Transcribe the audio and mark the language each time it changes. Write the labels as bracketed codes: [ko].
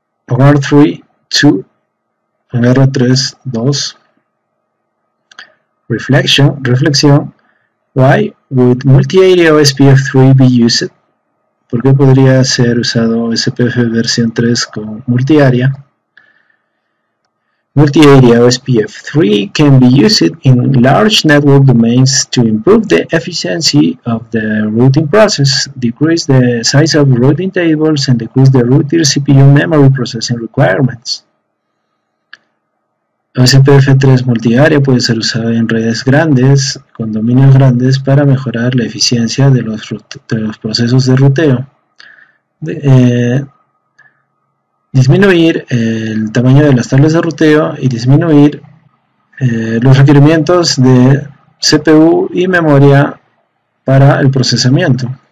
[es] En R3, 2. En R3, 2. Reflexión. [en] Why would multi-area OSPF3 be used? [es] ¿Por qué podría ser usado OSPF versión 3 con multi-área? [en] Multi-area OSPF3 can be used in large network domains to improve the efficiency of the routing process, decrease the size of routing tables, and decrease the router CPU memory processing requirements. [es] OSPF3 multi-area puede ser usado en redes grandes, con dominios grandes, para mejorar la eficiencia de los procesos de ruteo. Disminuir el tamaño de las tablas de ruteo y disminuir los requerimientos de CPU y memoria para el procesamiento.